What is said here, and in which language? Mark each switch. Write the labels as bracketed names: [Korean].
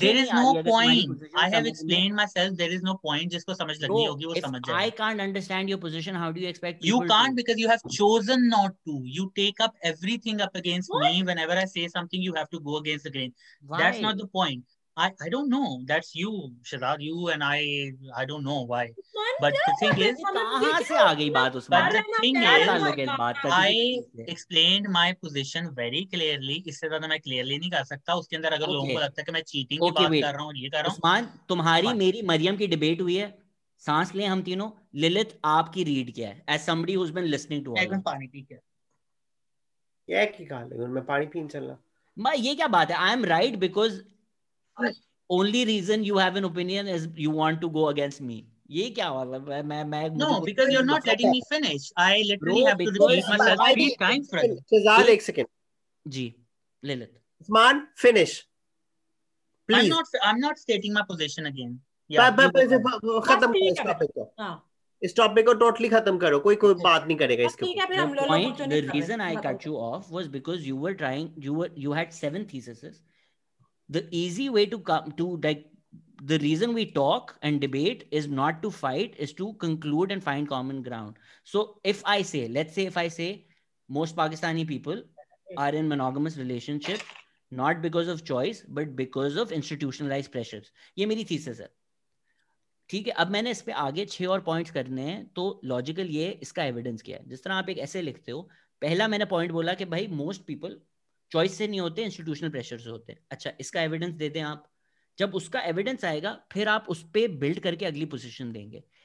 [English] there is no point I have explained myself there is no point [Hindi] जिसको समझ लगनी होगी वो समझ जाएगा [English] I can't understand your position how do you expect you can't because you have chosen not to you take up everything up against me whenever I say something you have to go against the grain that's not the point I don't know. That's you, Shahzad. You and I don't know why. But the thing is, I explained my position very clearly. [Hindi] इससे ज़्यादा मैं clearly नहीं कर सकता. उसके अंदर अगर लोगों को लगता है कि मैं cheating की बात कर रहा हूँ, ये कर रहा हूँ. उस्मान, तुम्हारी मेरी मरियम की debate हुई है. सांस लें हम तीनों. Lilith, आपकी read क्या है? [English] As somebody who's been listening to [Hindi] all. एक पानी पी क्या? एक ही कहा लेकिन मैं पानी पीने चला. मैं ये क्या बात है? [English] I am right because only reason you have an opinion is you want to go against me. [Hindi] Ye kya hua? [English] No, because you're not letting me finish. I literally have to repeat myself three times. [Hindi] Shahzad, ek second. Ji, Lilith. [English] Usman, finish. Please. I'm not stating my position again. [Hindi] इस topic को totally खत्म करो कोई कोई बात नहीं करेगा इसके ऊपर. [English] The reason I cut you off was because you were trying. You had 7 theses. The easy way to come to like the reason we talk and debate is not to fight, is to conclude and find common ground. So if I say most Pakistani people are in monogamous relationships, not because of choice, but because of institutionalized pressures. [Hindi] Ye meri thesis hai. ठीक है, अब मैंने इस पे आगे 6 और points करने हैं, तो लॉजिकल ये इसका एविडेंस क्या है? जिस तरह आप एक ऐसे लिखते हो, पहला मैंने पॉइंट बोला कि भाई मोस्ट पीपल चॉइस से नहीं होते, इंस्टीट्यूशनल प्रेशर से होते हैं. अच्छा, इसका एविडेंस दे दें आप. जब उसका एविडेंस आएगा फिर आप उस पे बिल्ड करके अगली पोजीशन देंगे.